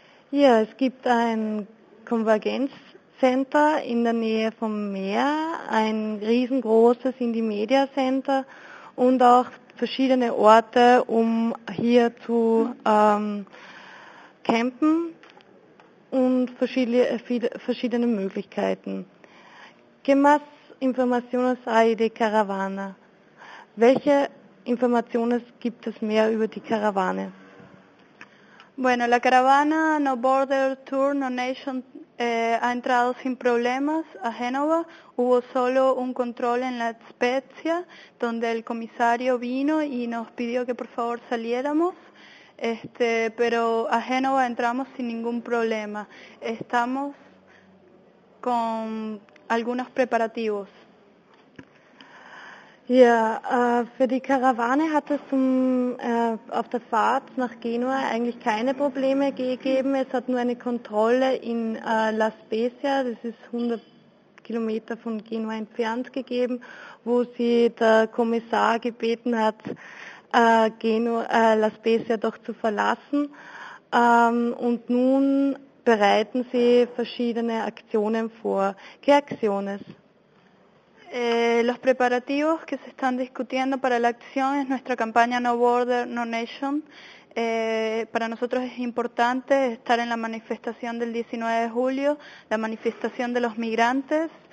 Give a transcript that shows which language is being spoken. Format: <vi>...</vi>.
<de>Ja, es gibt ein Konvergenz Center in der Nähe vom Meer, ein riesengroßes Indymedia Center und auch verschiedene Orte, um hier zu campen und verschiedene Möglichkeiten.</de> <es>¿Qué más informaciones hay de Caravana?</es> <de>Welche Informationen gibt es mehr über die Karawane?</de> <es>Bueno, la caravana No Border Tour, No Nation ha entrado sin problemas a Génova. Hubo solo un control en La Spezia, donde el comisario vino y nos pidió que por favor saliéramos. Pero a Génova entramos sin ningún problema. Estamos con algunos preparativos.</es> <de>Ja, für die Karawane hat es auf der Fahrt nach Genua eigentlich keine Probleme gegeben. Es hat nur eine Kontrolle in La Spezia, das ist 100 Kilometer von Genua entfernt, gegeben, wo sie der Kommissar gebeten hat, La Spezia doch zu verlassen. Und nun bereiten sie verschiedene Aktionen vor.</de> <es>¿Qué acciones? Los preparativos que se están discutiendo para la acción es nuestra campaña No Border, No Nation. Para nosotros es importante estar en la manifestación del 19 de julio, la manifestación de los migrantes.</es>